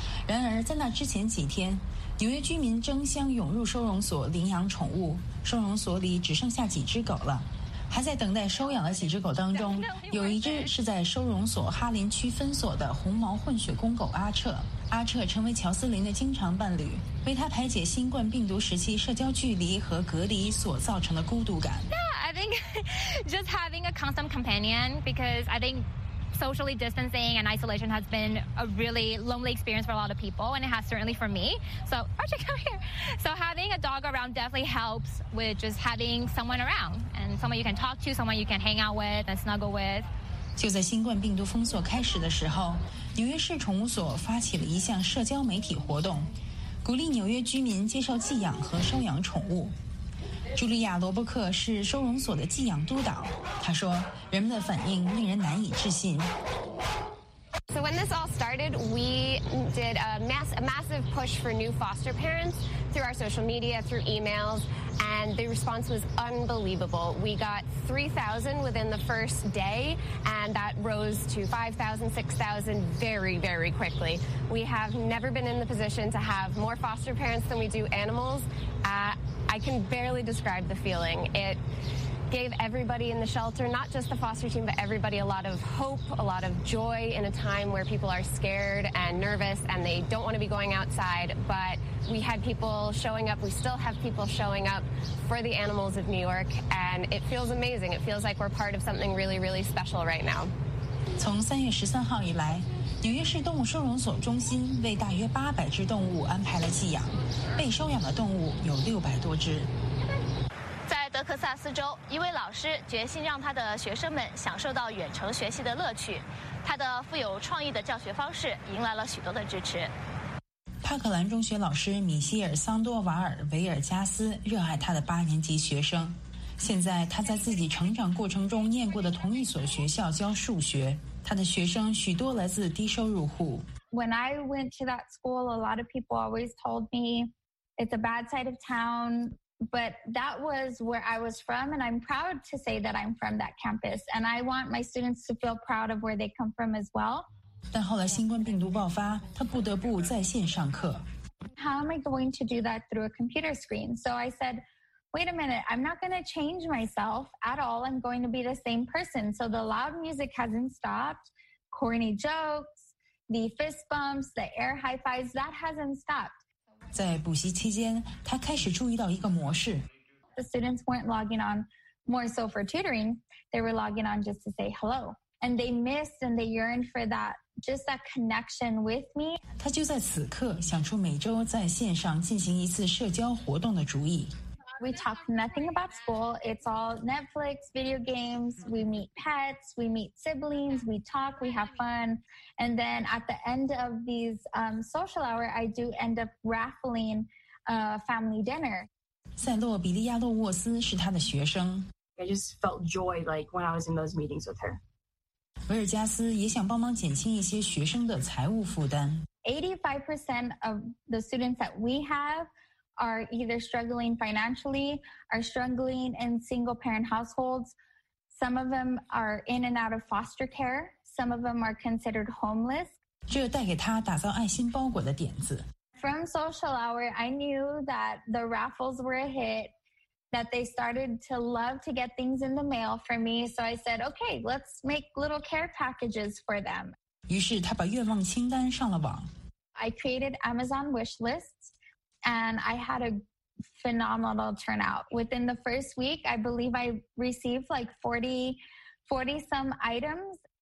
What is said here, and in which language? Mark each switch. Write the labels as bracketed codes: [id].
[zh] 然而在那之前几天，纽约居民争相涌入收容所领养宠物，收容所里只剩下几只狗了。还在等待收养的几只狗当中，有一只是在收容所哈林区分所的红毛混血公狗阿彻。阿彻成为乔斯林的经常伴侣，为他排解新冠病毒时期社交距离和隔离所造成的孤独感。 [en] Yeah, I think just having a constant companion because I think socially distancing and isolation has been a really lonely experience for a lot of people, and it has certainly for me. So Archie, come here. So having a dog around definitely helps with just having someone around. Someone you can talk to, someone you can hang out with and snuggle with. [zh] 就在新冠病毒封锁开始的时候，纽约市宠物所发起了一项社交媒体活动，鼓励纽约居民接受寄养和收养宠物。茱莉亚·罗伯克是收容所的寄养督导，她说人们的反应令人难以置信。 [en] So when this all started, we did a massive push for new foster parents through our social media, through emails, and the response was unbelievable. We got 3,000 within the first day, and that rose to 5,000, 6,000 very, very quickly. We have never been in the position to have more foster parents than we do animals. I can barely describe the feeling. It gave everybody in the shelter, not just the foster team, but everybody a lot of hope, a lot of joy in a time where people are scared and nervous and they don't want to be going outside. But we had people showing up. We still have people showing up for the animals of New York, and it feels amazing. It feels like we're part of something really, really special right now. [zh] 从3月13号以来，纽约市动物收容所中心为大约800只动物安排了寄养，被收养的动物有600多只。在德克萨斯州，一位老师决心让他的学生们享受到远程学习的乐趣。他的富有创意的教学方式迎来了许多的支持。帕克兰中学老师米歇尔·桑多瓦尔·维尔加斯热爱他的八年级学生。现在他在自己成长过程中念过的同一所学校教数学。他的学生许多来自低收入户。 [en] When I went to that school, a lot of people always told me it's a bad side of town. But that was where I was from, and I'm proud to say that I'm from that campus. And I want my students to feel proud of where they come from as well. [zh] 但后来新冠病毒爆发，他不得不在线上课。 [en] How am I going to do that through a computer screen? So I said, wait a minute, I'm not going to change myself at all. I'm going to be the same person. So the loud music hasn't stopped. Corny jokes, the fist bumps, the air high fives, that hasn't stopped. [zh] 在补习期间，他开始注意到一个模式。 [en] The students weren't logging on more so for tutoring. They were logging on just to say hello. And they missed and they yearned for that, just that connection with me. [zh] 他就在此刻想出每周在线上进行一次社交活动的主意。 [en] We talk nothing about school. It's all Netflix, video games. We meet pets. We meet siblings. We talk. We have fun. And then at the end of these social hour, I do end up raffling a family dinner. [zh] 塞洛·比利亚·洛沃斯是他的学生。 [en] I just felt joy like when I was in those meetings with her. [zh] 维尔加斯也想帮忙减轻一些学生的财务负担。 [en] 85% of the students that we have. Are either struggling financially, are struggling in single parent households. Some of them are in and out of foster care. Some of them are considered homeless. [zh] 这带给他打造爱心包裹的点子。 [en] From social hour, I knew that the raffles were a hit, that they started to love to get things in the mail for me. So I said, okay, let's make little care packages for them. [zh] 于是他把愿望清单上了网。 [en] I created Amazon wish lists. And I had a phenomenal turnout. Within the first week, I believe I received like 40 some items.